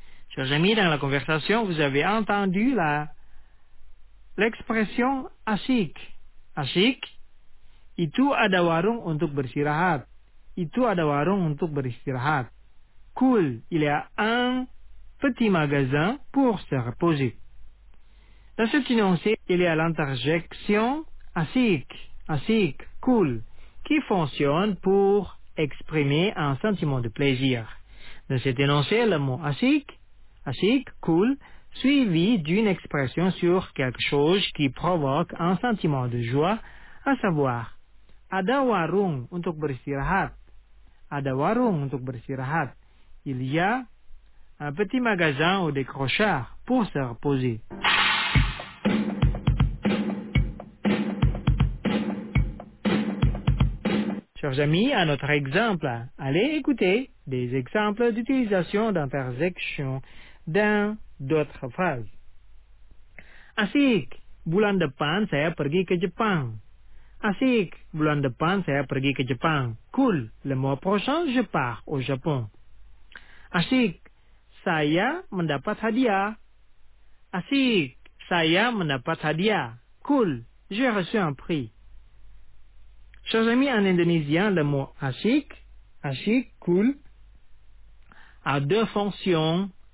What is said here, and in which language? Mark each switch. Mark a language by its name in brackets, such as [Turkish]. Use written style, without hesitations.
[French] Chers amis, dans la conversation, vous avez entendu l'expression asik. [Indonesian] Asik, itu ada warung untuk beristirahat. Itu ada warung untuk beristirahat. [French] Cool, il y a un petit magasin pour se reposer. Dans cet énoncé, il y a l'interjection asik, asik, cool, qui fonctionne pour exprimer un sentiment de plaisir. Dans cet énoncé, le mot asik, asik, cool, suivi d'une expression sur quelque chose qui provoque un sentiment de joie, à savoir, [Indonesian] ada warung untuk beristirahat. Ada warung untuk beristirahat. [French] Il y a un petit magasin ou décrocheur pour se reposer. Chers amis, un autre exemple. Allez écouter des exemples d'utilisation d'interjections dans d'autres phrases. [Indonesian] Asik, bulan depan saya pergi ke Jepang. Asik, bulan depan saya pergi ke Jepang. [French] Cool, le mois prochain je pars au Japon. [Indonesian] Asik, saya mendapat hadiah. Asik, saya mendapat hadiah. [French] Cool, j'ai reçu un prix. Chers amis, en indonésien, le mot asik, asik, cool, a deux fonctions.